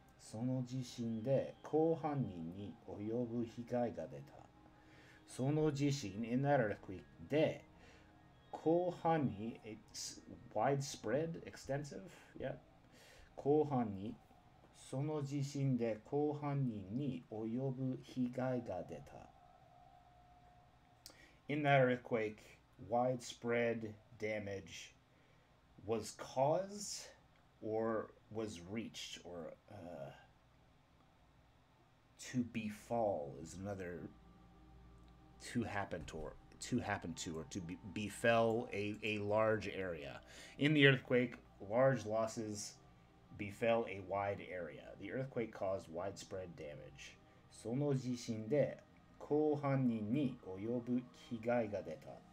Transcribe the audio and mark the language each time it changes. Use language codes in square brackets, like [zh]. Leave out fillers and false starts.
[ja] その地震で広範囲に及ぶ被害が出た。その地震 [en] in that earthquake [ja] で広範囲 [en] it's widespread, extensive, yep. [ja] 広範囲その地震で広範囲に及ぶ被害が出た。 [en] In that earthquake, widespread damage was caused or was reached or to befall is another to happen to or befell a large area. In the earthquake, large losses befell a wide area. The earthquake caused widespread damage. [ja] その地震で広後半にに及ぶ危害が出た。